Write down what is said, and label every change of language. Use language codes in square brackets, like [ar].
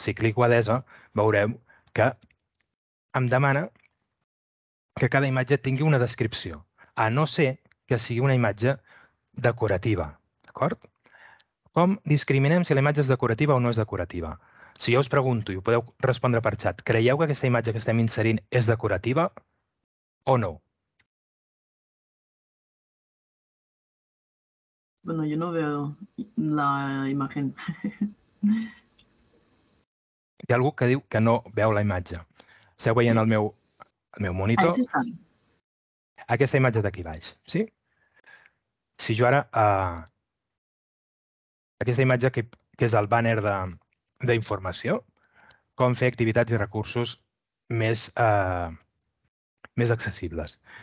[ca] Si clico a Desa, veurem que em demana que cada imatge tingui una descripció, a no ser que sigui una imatge decorativa. D'acord? Com discriminem si la imatge és decorativa o no és decorativa? Si jo us pregunto, i ho podeu respondre per xat, creieu que aquesta imatge que estem inserint és decorativa o no? [es] Bueno, yo no veo la imagen. [ca] Hi ha algú que diu que no veu la imatge. Esteu veient el meu monitor? [es] Ahí sí está. [ca] Aquesta imatge d'aquí baix, sí? Si jo ara... aquesta imatge que és el banner d'informació, com fer activitats i recursos més accessibles.